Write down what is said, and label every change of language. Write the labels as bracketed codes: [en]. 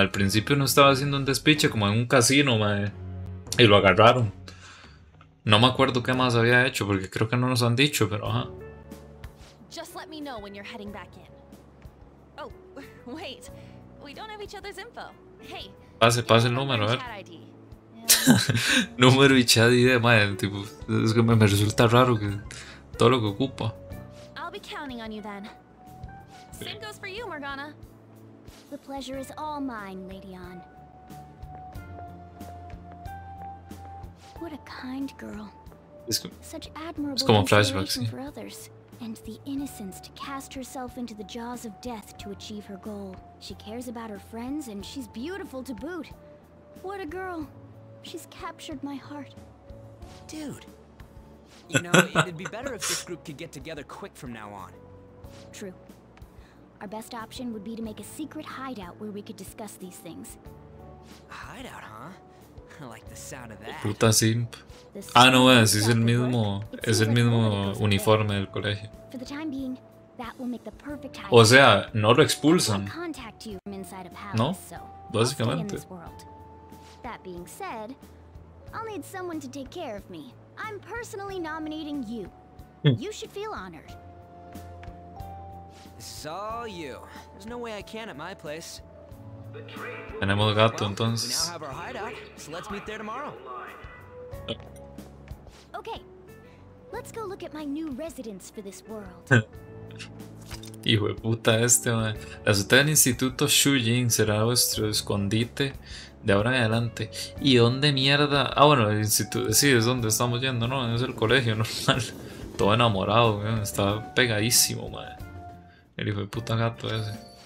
[es] Al principio no estaba haciendo un despiche como en un casino, madre. Y lo agarraron. No me acuerdo qué más había hecho porque creo que no nos han dicho, pero ajá. [en] Just let me know when you're heading back in. Oh, wait. We don't have each other's info. Hey. [es] Pase el número, a ver. Número y chat ID, madre. Tipo, es que me resulta raro que todo lo que ocupa. [en] I'll be counting on you then. Same goes for you, Morgana. The pleasure is all mine, Lady Anne. What a kind girl. Such admirable inspiration for others. And the innocence to cast herself into the jaws of death to achieve her goal. She cares about her friends and she's beautiful to boot. What a girl. She's captured my heart. Dude. You know, it'd be better if this group could get together quick from now on. True. Our best option would be to make a secret hideout where we could discuss these things. Hideout, huh? I like the sound of that. [es] Puta simp. Ah, no, es el mismo uniforme del colegio. [en] For the time being, that will make the perfect hideout. [es] O sea, no lo expulsan. ¿No? Básicamente. [en] That being said, I'll need someone to take care of me. I'm personally nominating you. You should feel honored. It's all you. There's no way I can at my place. [es] Tenemos gato, entonces. [en] Well, we now have our hideout, so let's meet there tomorrow. Okay. Let's go look at my new residence for this world. [es] Hijo de puta este, man. La azotea del Instituto Shujin será vuestro escondite de ahora en adelante. ¿Y dónde mierda? Ah, bueno, el instituto. Sí, es donde estamos yendo, ¿no? Es el colegio normal. Todo enamorado, man. Está pegadísimo, man. El hijo de puta gato ese.